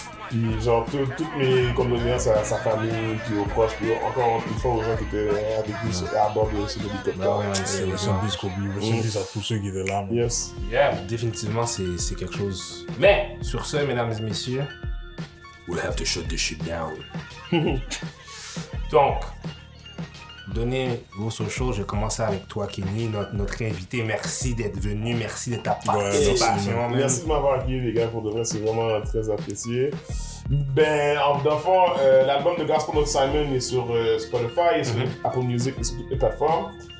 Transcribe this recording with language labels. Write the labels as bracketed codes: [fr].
[fr] Puis genre tout mes condoléances à sa famille, puis aux proches, puis encore une fois aux gens qui étaient avec lui à bord de ce hélicoptère. Je suis à tous ceux qui étaient là. Moi. Yes. Yeah, définitivement c'est quelque chose. Mais sur ce, mesdames et messieurs, [en] we'll have to shut this shit down. [fr] Donc, donnez vos socials. Je vais commencer avec toi, Kenny, notre invité. Merci d'être venu, merci de ta participation. Merci de m'avoir accueilli, les gars. Pour de vrai, c'est vraiment très apprécié. Ben, en fond, l'album de Gospel of Simon est sur Spotify, et sur Apple Music et sur toutes les plateformes.